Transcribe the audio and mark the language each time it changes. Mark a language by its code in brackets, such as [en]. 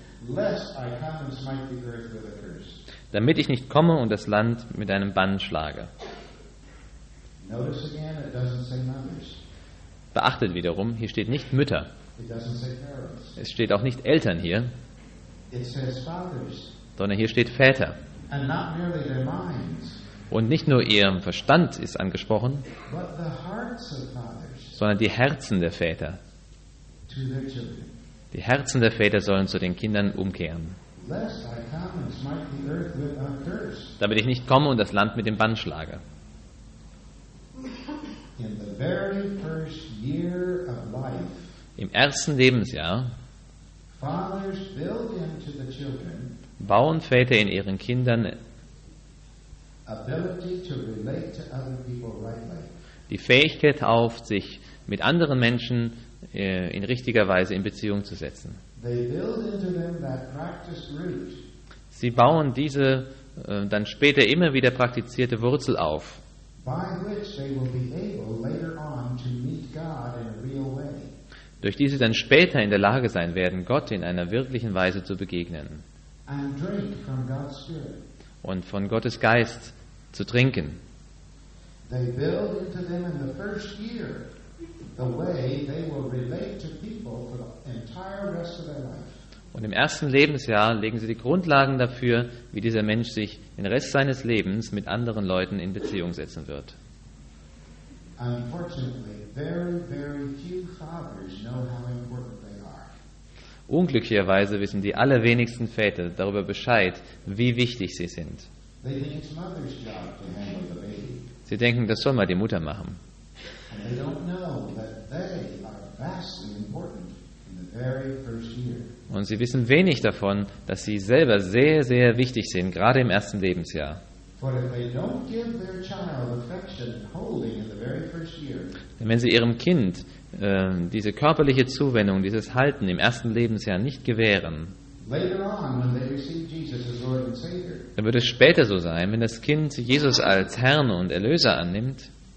[en] Lest I come and smite the earth with a curse. [de] Damit ich nicht komme und das Land mit einem Bann schlage. [en] Notice again, it doesn't say mothers. [de] Beachtet wiederum, hier steht nicht Mütter. [en] It doesn't say parents. [de] Es steht auch nicht Eltern hier. [en] It says fathers. [de] Sondern hier steht Väter. [en] And not merely their minds. [de] Und nicht nur ihr Verstand ist angesprochen, [en] but the hearts of fathers. [de] Sondern die Herzen der Väter. [en] To their children. [de] Die Herzen der Väter sollen zu den Kindern umkehren. [en] Lest I come and smite the earth with a curse. [de] Damit ich nicht komme und das Land mit dem Bann schlage. [en] In the very first year of life, [de] im ersten Lebensjahr [en] fathers build into the children, [de] bauen Väter in ihren Kindern [en] ability to relate to other people rightly. [de] Die Fähigkeit auf, sich mit anderen Menschen in richtiger Weise in Beziehung zu setzen. [en] They build into them that practice root. [de] Sie bauen diese dann später immer wieder praktizierte Wurzel auf, durch die sie dann später in der Lage sein werden, Gott in einer wirklichen Weise zu begegnen [en] and drink from God's Spirit. [de] Und von Gottes Geist zu trinken. [en] They build into them in the first year the way they will relate to people for the entire rest of their life. [de] Und im ersten Lebensjahr legen sie die Grundlagen dafür, wie dieser Mensch sich den Rest seines Lebens mit anderen Leuten in Beziehung setzen wird. [en] Unfortunately, very, very few fathers know how important they are. [de] Unglücklicherweise wissen die allerwenigsten Väter darüber Bescheid, wie wichtig sie sind. [en] They think it's mother's job to handle the baby. [de] Sie denken, das soll mal die Mutter machen. [en] And they don't know that they are vastly important in the very first year. [de] Und sie wissen wenig davon, dass sie selber sehr, sehr wichtig sind, gerade im ersten Lebensjahr. Denn wenn sie ihrem Kind diese körperliche Zuwendung, dieses Halten im ersten Lebensjahr nicht gewähren, dann wird es später so sein, wenn das Kind Jesus als Herrn und Erlöser annimmt,